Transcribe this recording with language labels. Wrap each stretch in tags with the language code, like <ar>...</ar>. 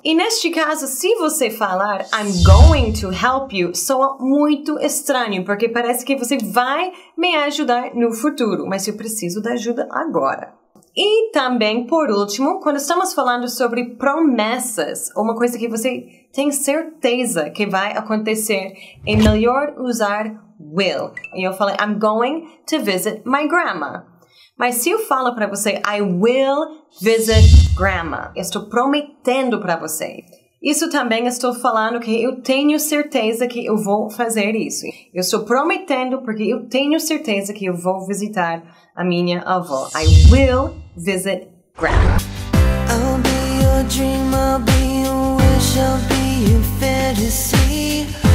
<pt>E neste caso, se você falar</pt> <en>I'm going to help you,</en> <pt>soa muito estranho, porque parece que você vai me ajudar no futuro, mas eu preciso da ajuda agora. E também, por último, quando estamos falando sobre promessas, uma coisa que você tem certeza que vai acontecer, é melhor usar will. E eu falei</pt> <en>I'm going to visit my grandma.</en> <pt>Mas se eu falo para você,</pt> <en>I will visit grandma,</en> <pt>estou prometendo para você. Isso também estou falando que eu tenho certeza que eu vou fazer isso. Eu estou prometendo porque eu tenho certeza que eu vou visitar a minha avó.</pt> <en>I will visit grandma. I'll be your dream, I'll be your wish, I'll be your fantasy.</en>